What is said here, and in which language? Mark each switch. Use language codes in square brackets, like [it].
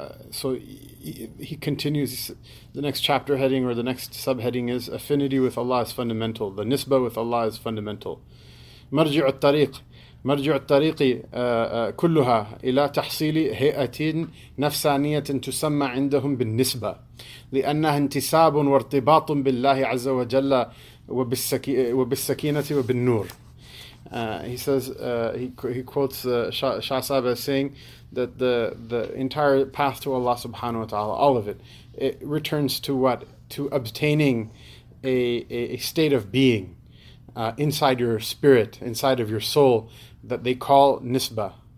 [en] So he continues the next chapter heading or the next subheading is affinity with Allah is fundamental. The nisbah with Allah is fundamental. [ar] Marji' al-tariq. مرجع الطريق كلها إلى تحصيل هيئة نفسانية تسمى عندهم بالنسبة لأنها انتساب وارتباط بالله عز وجل وبالسكينة وبالنور. [en] He quotes Shah Saab as saying that the entire path to Allah subhanahu wa ta'ala, all of it returns to what? To obtaining a state of being. Inside your spirit, inside of your soul, that they call nisbah.